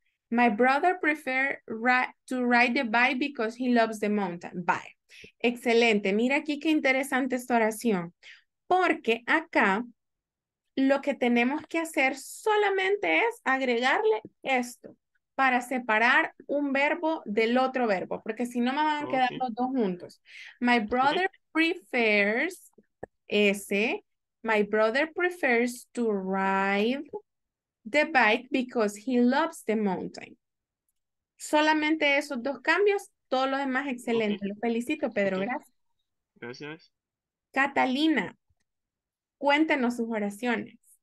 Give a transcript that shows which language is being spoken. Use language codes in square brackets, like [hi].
[en] My brother prefer to ride the bike because he loves the mountain bike. [es] Excelente. Mira aquí qué interesante esta oración. Porque acá lo que tenemos que hacer solamente es agregarle esto para separar un verbo del otro verbo, porque si no me van a quedar los dos juntos. [en] My brother prefers [es] ese. [en] My brother prefers to ride the bike because he loves the mountain. [es] Solamente esos dos cambios, todo lo demás excelente. Lo felicito, Pedro. Okay. Gracias. Gracias. Catalina, cuéntenos sus oraciones.